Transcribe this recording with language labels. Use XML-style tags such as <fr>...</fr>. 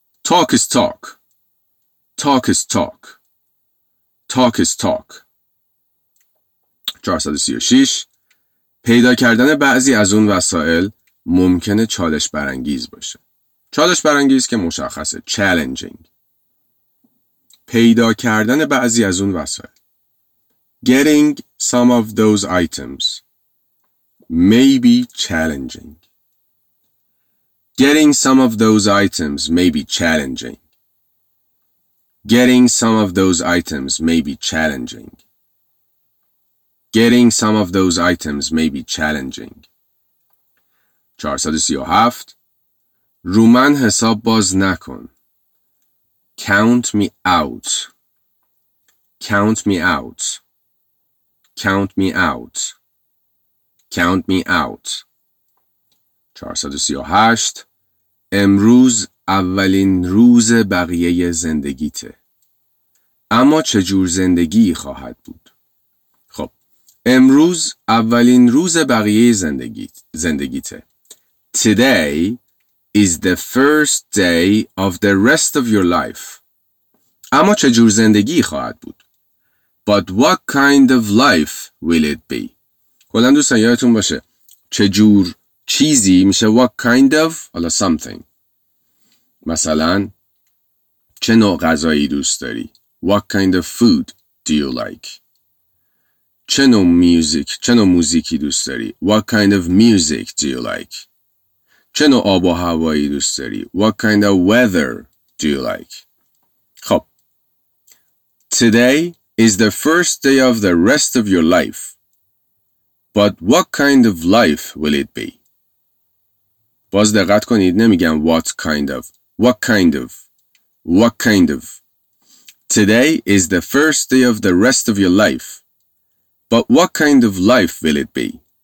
<en>Talk is talk. Talk is talk. Talk is talk.</en> <fa>436 پیدا کردن بعضی از اون وسایل ممکنه چالش برانگیز باشه. چالش برانگیز که مشخصه، challenging. پیدا کردن بعضی از اون وسایل.</fa> <en>Getting some of those items may be challenging. Getting some of those items may be challenging. Getting some of those items may be challenging. Getting some of those items may be challenging.</en> <fa>437 رو من حساب باز نکن.</fa> <en>Count me out. Count me out. Count me out. Count me out.</en> <fa>438 امروز اولین روز بقیه زندگیته. اما چه جور زندگی خواهد بود؟ خب امروز اولین روز بقیه زندگیته.</fa> <en>Today is the first day of the rest of your life.</en> <fa>اما چه جور زندگی خواهد بود؟</fa> <en>But what kind of life will it be?</en> <fa>کلا دوستان یادتون باشه چه جور چیزی میشه</fa> <en>what kind of or something.</en> <fa>مثلا چه نوع غذایی دوست داری؟</fa> <en>What kind of food do you like?</en> <fa>چه نوع موزیکی دوست داری؟</fa> <en>What kind of music do you like?</en> <fa>چه نوع آب و هوایی دوست داری؟</fa> <en>What kind of weather do you like? خب Today is the first day of the rest of your life. But what kind of life will it be?</en> <fa>باز دقت کنید نمیگم</fa> <en>what kind of. What kind of. What kind of. Today is the first day of the rest of your life. But what kind of life will it be?</en>